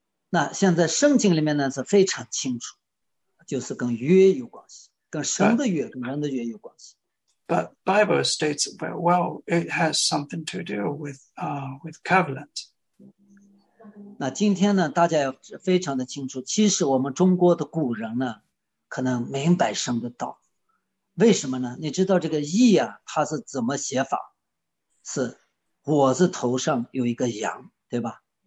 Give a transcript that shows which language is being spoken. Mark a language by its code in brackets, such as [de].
[zh] 那现在圣经里面呢是非常清楚，就是跟约有关系，跟神的约，跟人的约有关系。 [en] But Bible states well, it has something to do with covenant. [zh] 那今天呢，大家要非常的清楚，其实我们中国的古人呢。可能明白神的道，为什么呢？你知道这个义啊，它是怎么写法？是我是头上有一个羊，对吧？